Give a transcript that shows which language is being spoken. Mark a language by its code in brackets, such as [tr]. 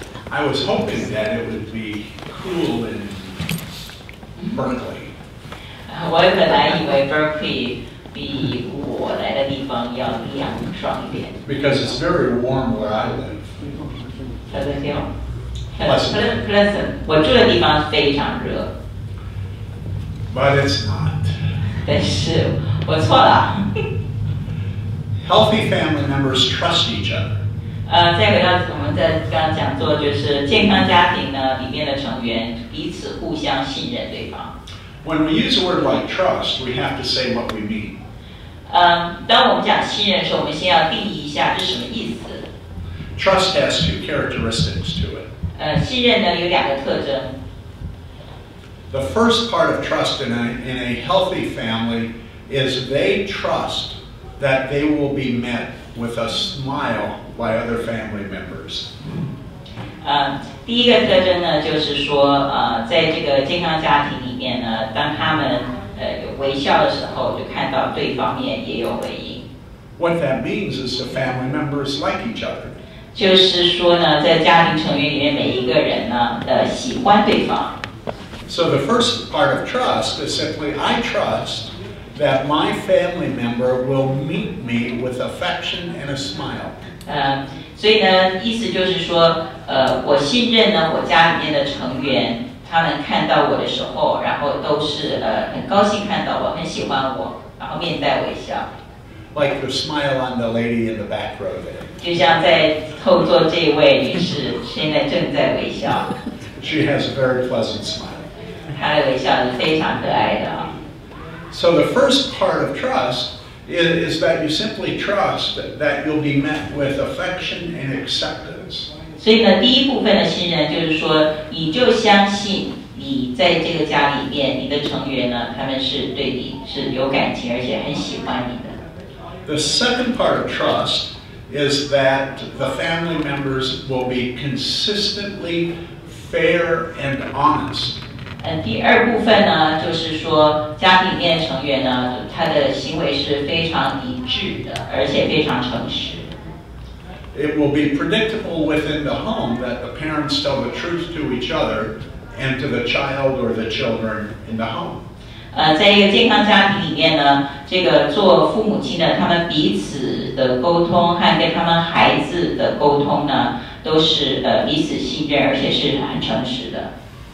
[en] I was hoping that it would be cool in Berkeley. [zh] 我本来以为 Berkeley 比我来的地方要凉爽一点。 [en] Because it's very warm where I live. Pleasant. [zh] 我住的地方非常热。 [en] But it's not. [zh] 但是我错了。 [en] Healthy family members trust each other. [zh] 再回到我们在刚刚讲座，就是健康家庭呢里面的成员彼此互相信任对方。 [en] When we use a word like trust, we have to say what we mean. [zh] 当我们讲信任的时候，我们先要定义一下是什么意思。 [en] Trust has two characteristics to it. [zh] 信任呢有两个特征。 [en] The first part of trust in a healthy family is they trust. That they will be met with a smile by other family members. [zh] 第一个特征呢，就是说，在这个健康家庭里面呢，当他们有微笑的时候，就看到对方面也有回应。 [en] What that means is the family members like each other. [zh] 就是说呢，在家庭成员里面，每一个人呢，喜欢对方。 [en] So the first part of trust is simply I trust that my family member will meet me with affection and a smile. [zh] 所以呢，意思就是说，我信任呢，我家里面的成员，他们看到我的时候，然后都是很高兴看到我，很喜欢我，然后面带微笑。 [en] Like the smile on the lady in the back row there. [zh] 就像在后座这位女士现在正在微笑。 [en] She has a very pleasant smile. [zh] 她的微笑是非常可爱的啊。 [en] So the first part of trust is that you simply trust that you'll be met with affection and acceptance. [zh] 所以呢，第一部分的信任就是说，你就相信你在这个家里面，你的成员呢，他们是对你是有感情，而且很喜欢你的。 [en] The second part of trust is that the family members will be consistently fair and honest. [zh] 第二部分呢，就是说家里面成员呢，他的行为是非常一致的，而且非常诚实。 [en] It will be predictable within the home that the parents tell the truth to each other and to the child or the children in the home. [zh] 在一个健康家庭里面呢，这个做父母亲的，他们彼此的沟通和跟他们孩子的沟通呢，都是彼此信任，而且是很诚实的。